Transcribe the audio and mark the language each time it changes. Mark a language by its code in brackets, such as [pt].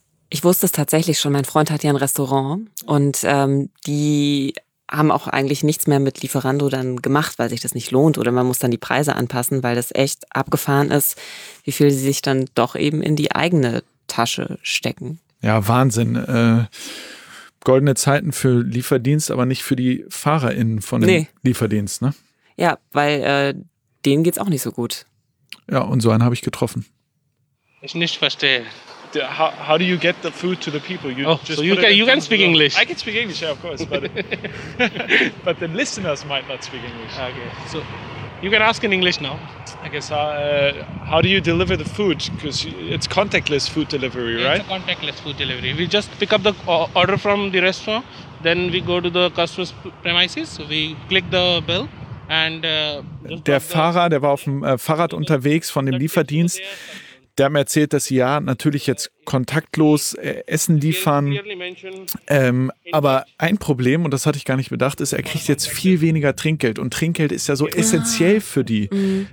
[de] Ich wusste es tatsächlich schon, mein Freund hat ja ein Restaurant und die haben auch eigentlich nichts mehr mit Lieferando dann gemacht, weil sich das nicht lohnt oder man muss dann die Preise anpassen, weil das echt abgefahren ist, wie viel sie sich dann doch eben in die eigene Tasche stecken. Ja, Wahnsinn. Goldene Zeiten für Lieferdienst, aber nicht für die FahrerInnen von dem Lieferdienst, ne? Ja, weil denen geht's auch nicht so gut. Ja, und so einen habe ich getroffen. Ich nicht verstehe. [en] How do you get the food to the people? You can speak English. I can speak English, yeah, of course, but the listeners might not speak English. Okay, so you can ask in English now. I guess how do you deliver the food? Because it's contactless food delivery, it's right? It's contactless food delivery. We just pick up the order from the restaurant, then we go to the customer's premises. So we click the bell. And [de] der Fahrer, der war auf dem Fahrrad unterwegs von dem Lieferdienst. Der hat mir erzählt, dass sie ja natürlich jetzt kontaktlos Essen liefern. Aber ein Problem, und das hatte ich gar nicht bedacht, ist, er kriegt jetzt viel weniger Trinkgeld. Und Trinkgeld ist ja so essentiell für die.